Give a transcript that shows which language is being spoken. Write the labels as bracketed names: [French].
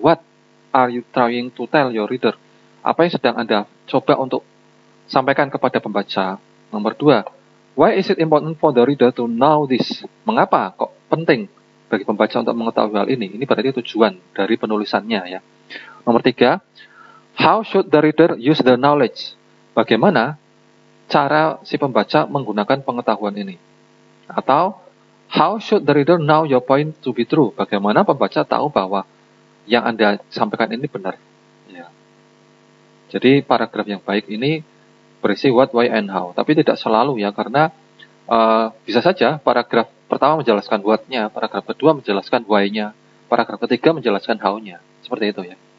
[English] What are you trying to tell your reader? [Indonesian] Apa yang sedang Anda coba untuk sampaikan kepada pembaca? [English] Nomor 2. Why is it important for the reader to know this? [Indonesian] Mengapa kok penting bagi pembaca untuk mengetahui hal ini? Ini berarti tujuan dari penulisannya ya. Nomor 3. [English] How should the reader use the knowledge? [Indonesian] Bagaimana cara si pembaca menggunakan pengetahuan ini? [English] Atau, how should the reader know your point to be true? [Indonesian] Bagaimana pembaca tahu bahwa yang Anda sampaikan ini benar? Ya. Jadi, paragraf yang baik ini berisi what, why, and how. Tapi tidak selalu ya, karena bisa saja paragraf pertama menjelaskan what-nya, paragraf kedua menjelaskan why-nya, paragraf ketiga menjelaskan how-nya. Seperti itu ya.